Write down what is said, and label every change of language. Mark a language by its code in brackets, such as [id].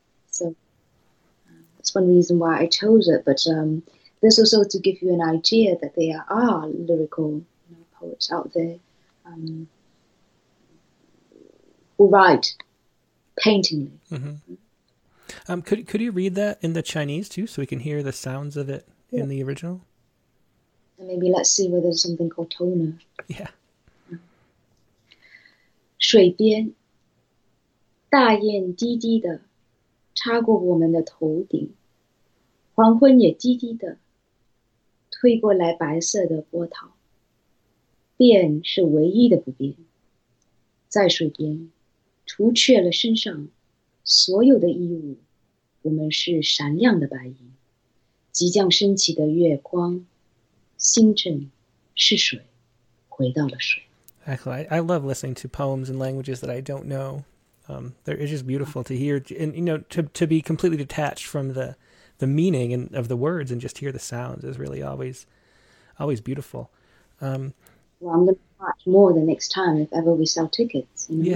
[en] So that's one reason why I chose it. But this also to give you an idea that there are lyrical, poets out there, who write paintingly. Could you read that in the Chinese too, so we can hear the sounds of it in the original? And maybe let's see whether there's something called toner. [zh] 水边，大雁低低的插过我们的头顶，黄昏也低低的推过来白色的波涛。变是唯一的不变，在水边，除却了身上所有的衣物，我们是闪亮的白银。即将升起的月光，星辰是水，回到了水。 [en] I love listening to poems and languages that I don't know. It's just beautiful to hear, and to be completely detached from the meaning and of the words and just hear the sounds is really always beautiful. Well, I'm going to watch more the next time if ever we sell tickets,